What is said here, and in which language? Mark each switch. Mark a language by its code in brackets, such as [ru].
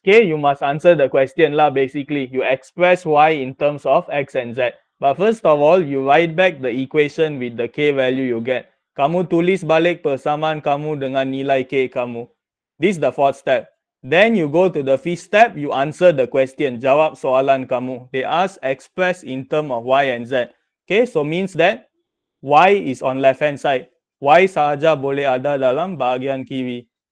[en] Okay, you must answer the question lah, basically. You express Y in terms of X and Z. But first of all, you write back the equation with the K value you get. [ms] Kamu tulis balik persamaan kamu dengan nilai K kamu. [en] This is the fourth step. Then you go to the fifth step, you answer the question. [ms] Jawab soalan kamu. [en] They ask express in term of Y and Z. Okay, so means that Y is on left hand side. [ms] Y sahaja boleh ada dalam bahagian kiri.